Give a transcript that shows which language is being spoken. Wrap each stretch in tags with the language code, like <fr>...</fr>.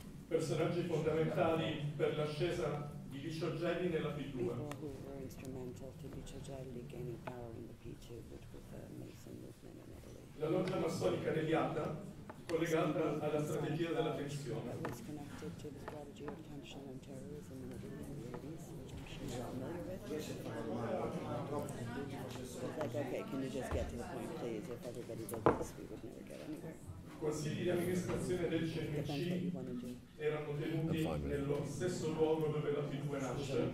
<it>personaggi fondamentali per l'ascesa di Licio Gelli nella P2.</it> <en>People who were instrumental to Licio Gelli gaining power in the P2 with the Mason movement in Italy.</en> <it>La loggia massonica deviata collegata alla strategia della tensione.</it> <en>That was connected to the strategy of tension and terrorism in the Middle East, which I'm sure you're familiar with. Okay, can you just get to the point, please? If everybody did this, we would never get anywhere.</en> <it>Consigli di amministrazione del CMC erano tenuti nello stesso luogo dove la P2 nasce.</it>